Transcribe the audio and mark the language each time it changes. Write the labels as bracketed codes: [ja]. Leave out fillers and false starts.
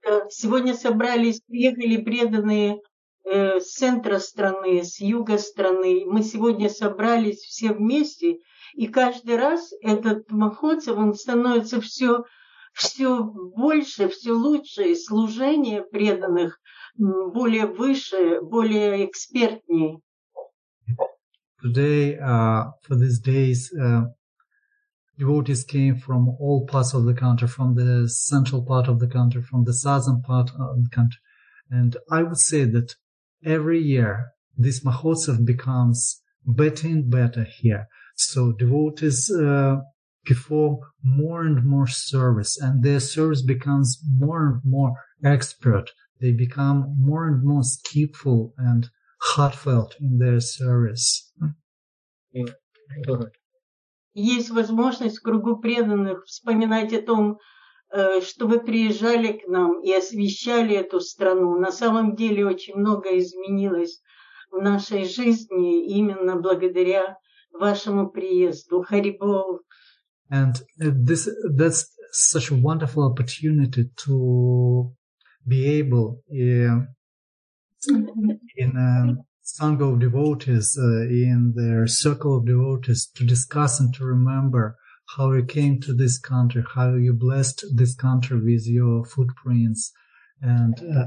[ru] Сегодня собрались, приехали преданные с центра страны, с юга страны. Мы сегодня собрались все вместе, и каждый раз этот махотсав он становится все больше, все лучше, и служение преданных более выше, более экспертнее. [en] Today, for these days, devotees came from all parts of the country, from the central part of the country, from the southern part of the country. And I would say that every year this Mahotsav becomes better and better here. So devotees perform more and more service, and their service becomes more and more expert. They become more and more skillful and heartfelt in their service. [ru] Есть возможность в кругу преданных вспоминать о том, что вы приезжали к нам и освещали эту страну. На самом деле очень многое изменилось в нашей жизни именно благодаря вашему приезду. [sa] Hare Bol. [en] And that's such a wonderful opportunity to be able in a sangha of devotees, in their circle of devotees, to discuss and to remember how you came to this country, how you blessed this country with your footprints, and